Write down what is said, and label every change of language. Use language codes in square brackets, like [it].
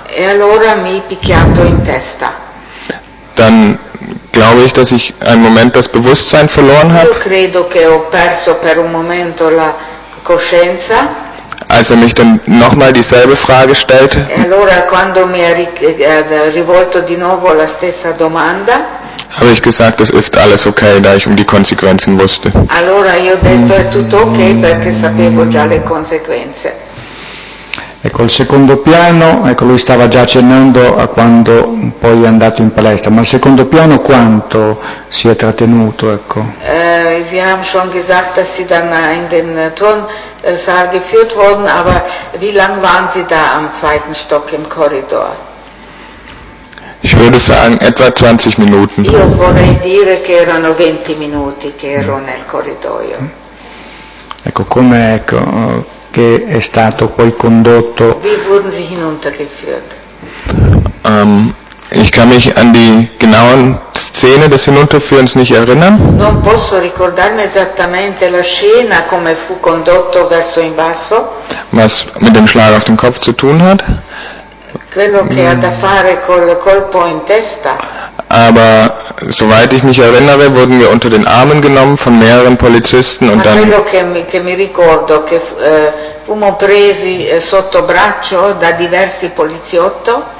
[it] E allora mi picchiato in testa. [de] Dann glaube ich, dass ich einen Moment das Bewusstsein verloren habe. [it] Io credo che ho perso per un momento la coscienza. [de] Als mich dann nochmal dieselbe Frage stellte. [it] E allora quando mi ha rivolto di nuovo la stessa domanda. [de] Habe ich gesagt, es ist alles okay, da ich um die Konsequenzen wusste. [it] Allora io ho detto è tutto okay perché sapevo già le conseguenze. Ecco, il secondo piano, ecco, lui stava già accennando a quando poi è andato in palestra, ma il secondo piano quanto si è trattenuto, ecco? [de] Sie haben schon gesagt, dass Sie dann in den Turnsaal geführt wurden, aber wie lange waren Sie da am zweiten Stock im Korridor? Ich würde sagen, etwa 20 Minuten. [it] Io vorrei dire che erano 20 minuti che ero nel corridoio. Ecco, come, ecco, che è stato poi condotto. [de] Wie wurden Sie hinuntergeführt? Ich kann mich an die genauen Szene des Hinunterführens nicht erinnern. [it] Non posso ricordarmi esattamente la scena come fu condotto verso in basso. [de] Was mit dem Schlag auf den Kopf zu tun hat. [it] Quello che ha da fare col colpo in testa. [de] Aber soweit ich mich erinnere, wurden wir unter den Armen genommen von mehreren Polizisten und dann. [it] Quello che mi ricordo che fummo presi sotto braccio da diversi poliziotti.